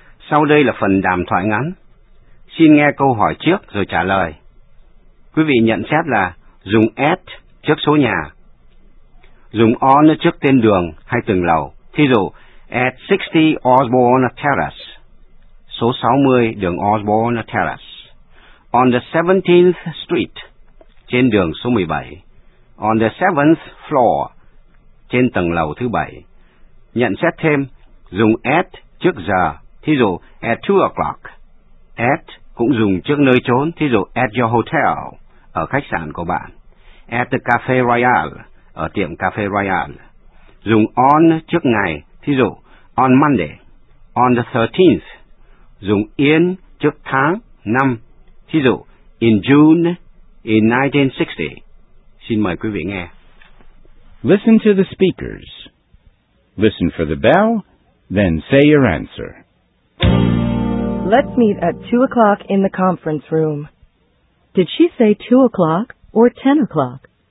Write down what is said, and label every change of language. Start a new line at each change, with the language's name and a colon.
Vietnamese: Sau đây là phần đàm thoại ngắn. Xin nghe câu hỏi trước rồi trả lời. Quý vị nhận xét là dùng at trước số nhà. Dùng on trước tên đường hay từng lầu. Thí dụ,
English: at 60 Osborne Terrace.
Vietnamese: Số 60 đường Osborne Terrace.
English: On the 17th Street.
Vietnamese: Trên đường số 17.
English: On the 7th Floor.
Vietnamese: Trên tầng lầu thứ 7. Nhận xét thêm, dùng at trước giờ. Thí dụ,
English: at 2 o'clock.
Vietnamese: At cũng dùng trước nơi chốn, thí dụ,
English: at your hotel,
Vietnamese: ở khách sạn của bạn.
English: At the Cafe Royal,
Vietnamese: ở tiệm Cafe Royal. Dùng on trước ngày, thí dụ,
English: on Monday. On the 13th,
Vietnamese: dùng in trước tháng, năm, thí dụ,
English: in June, in 1960.
Vietnamese: Xin mời quý vị nghe.
English: Listen to the speakers. Listen for the bell, then say your answer. Let's meet at 2 o'clock in the conference room. Did she say 2 o'clock or 10 o'clock?